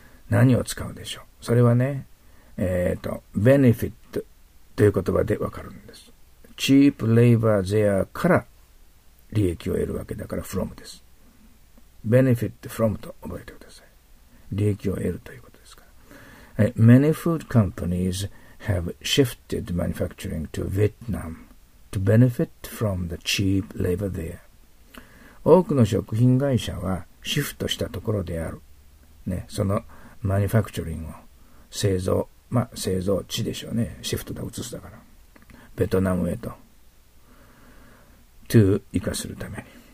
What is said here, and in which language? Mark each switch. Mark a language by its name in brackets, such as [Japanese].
[Japanese] 何を使うでしょう。それはね、benefit という言葉でわかるんです。 [English] cheap labor there [Japanese] から利益を得るわけだから、from です。 [English] benefit from [Japanese] と覚えてください。利益を得るということですから。 [English] Many food companies have shifted manufacturing to Vietnam to benefit from the cheap labor there. [Japanese] 多くの食品会社はシフトしたところである。ね、そのマニファクチャリングを製造、まあ製造地でしょうね。シフトだ、移すだから。ベトナムへと、to 生かするために。